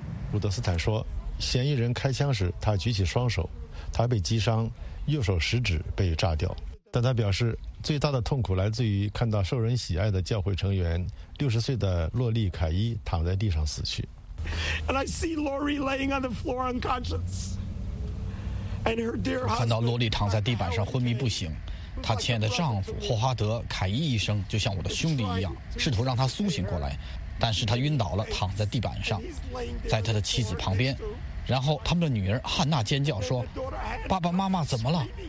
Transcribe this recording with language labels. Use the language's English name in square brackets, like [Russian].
[Chinese] 古德斯坦说，嫌疑人开枪时他举起双手，他被击伤，右手食指被炸掉，但他表示最大的痛苦来自于看到受人喜爱的教会成员60岁的洛丽凯伊躺在地上死去。 [English] And I see Lori laying on the floor unconscious and her dear husband. [Chinese] 看到洛丽躺在地板上昏迷不醒，她亲爱的丈夫霍华德·凯伊医生就像我的兄弟一样试图让她苏醒过来，但是他晕倒了，躺在地板上，在他的妻子旁边，然后他们的女儿汉娜尖叫说，爸爸妈妈怎么了？